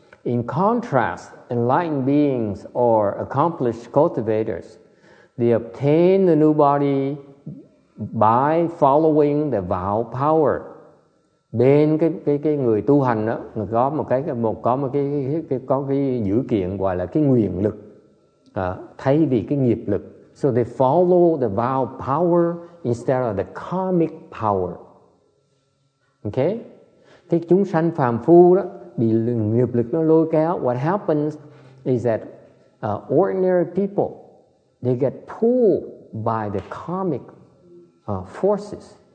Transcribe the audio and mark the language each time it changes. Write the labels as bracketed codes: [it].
[en] In contrast, enlightened beings or accomplished cultivators, they obtain the new body by following the vow power. [vi] Bên cái người tu hành đó, người có một cái dữ kiện gọi là cái nguyện lực thay vì cái nghiệp lực. [en] So they follow the vow power instead of the karmic power. [vi] Okay, cái chúng sanh phàm phu đó bị nghiệp lực nó lôi kéo. [en] What happens is that ordinary people they get pulled by the karmic forces.